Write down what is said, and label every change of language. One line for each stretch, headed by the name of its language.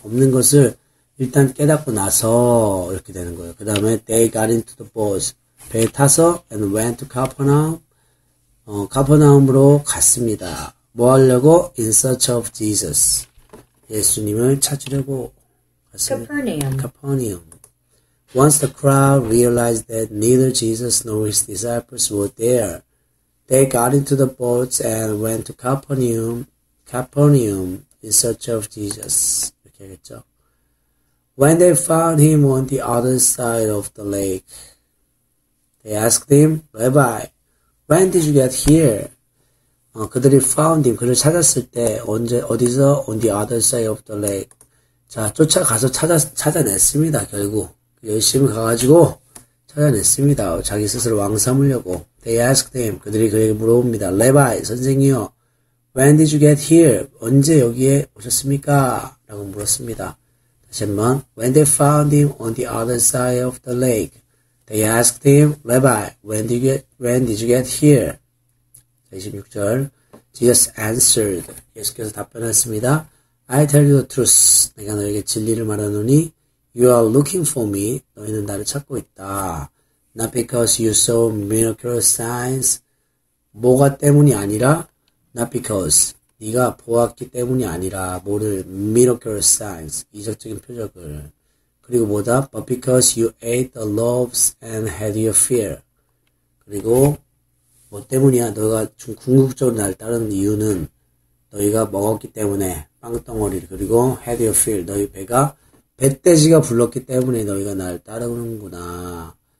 Korean: 없는 것을 일단 깨닫고 나서 이렇게 되는 거예요.
English: 그 다음에 they got into the boat
Korean: 배에 타서
English: and went to Capernaum
Korean: 카퍼나움으로 갔습니다. 뭐 하려고?
English: In search of Jesus.
Korean: 예수님을 찾으려고 갔습니다.
English: Capernaum. Once the crowd realized that neither Jesus nor his disciples were there, they got into the boats and went to Capernaum in search of Jesus.
Korean: 이렇게 하겠죠.
English: When they found him on the other side of the lake, they asked him, Rabbi, When did you get here?
Korean: 그들이
English: found him,
Korean: 그를 찾았을 때 언제 어디서?
English: On the other side of the lake.
Korean: 자, 쫓아가서 찾아냈습니다. 결국 열심히 가가지고 찾아냈습니다. 자기 스스로 왕 삼으려고.
English: They asked him,
Korean: 그들이 그에게 물어봅니다. Rabbi, 선생이요.
English: When did you get here?
Korean: 언제 여기에 오셨습니까? 라고 물었습니다. 다시 한번.
English: When they found him on the other side of the lake. They asked him, Rabbi, when did you get here? 26절. Jesus answered.
Korean: 예수께서 답변했습니다.
English: I tell you the truth.
Korean: 내가 너에게 진리를 말하노니,
English: you are looking for me.
Korean: 너희는 나를 찾고 있다.
English: Not because you saw miraculous signs,
Korean: 뭐가 때문이 아니라
English: not because
Korean: 네가 보았기 때문이 아니라 뭐를
English: miracle signs
Korean: 이적적인 표적을 그리고 뭐다
English: but because you ate the loaves and had your fill
Korean: 그리고 뭐 때문이야 너가 좀 궁극적으로 날 따르는 이유는 너희가 먹었기 때문에 빵덩어리를 그리고
English: had your fill
Korean: 너희 배가 배때지가 불렀기 때문에 너희가 날 따르는구나